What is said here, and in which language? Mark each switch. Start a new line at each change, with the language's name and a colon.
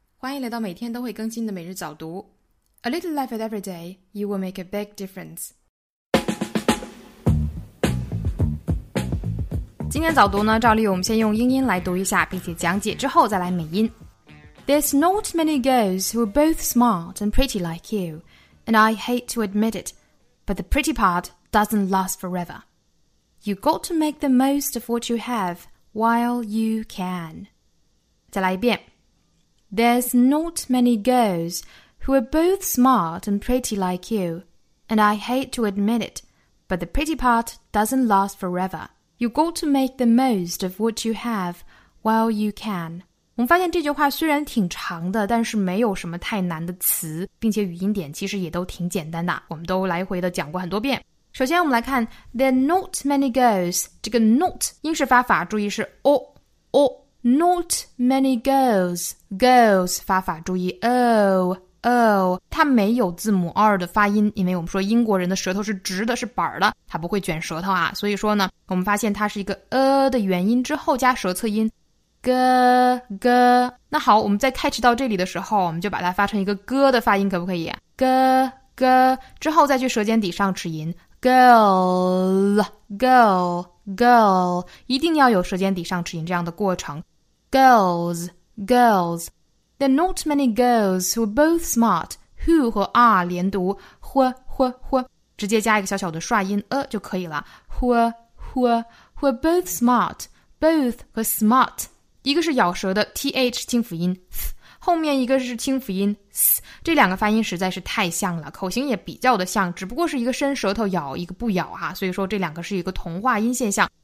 Chinese: 欢迎来到每天都会更新的每日早读。
English: A little life at every day, you will make a big difference.
Chinese: 今天早读呢，照例我们先用英音来读一下，并且讲解之后再来美音。
English: There's not many girls who are both smart and pretty like you, and I hate to admit it, but the pretty part doesn't last forever. You got to make the most of what you have while you can.
Chinese: 再来一遍。
English: There's not many girls who are both smart and pretty like you, and I hate to admit it, but the pretty part doesn't last forever. You got to make the most of what you have while you can.
Chinese: 我们发现这句话虽然挺长的，但是没有什么太难的词，并且语音点其实也都挺简单的，我们都来回的讲过很多遍。首先我们来看
English: There are not many girls,
Chinese: 这个 not 英式发法注意是 o, o,
English: Not many girls, girls,
Chinese: 发法注意 oh, oh, 它没有字母二的发音，因为我们说英国人的舌头是直的，是板的，它不会卷舌头啊，所以说呢，我们发现它是一个的元音之后加舌侧音 g, g, 那好，我们在 catch 到这里的时候，我们就把它发成一个 g 的发音，可不可以 g, g, 之后再去舌尖底上齿音 girl,
English: girl,
Chinese: Girl, 一定要有舌尖底上齿音这样的过程。
English: Girls, girls. There are not many girls who are both smart. Who 和 are 连读 ,who, who, who.
Chinese: 直接加一个小小的刷音就可以了。
English: Who, who, who are both smart. Both 和 smart.
Chinese: 一个是咬舌的 th 清辅音 th, 后面一个是清辅音 s, 这两个发音实在是太像了，口型也比较的像，只不过是一个伸舌头咬一个不咬啊，所以说这两个是一个同化音现象。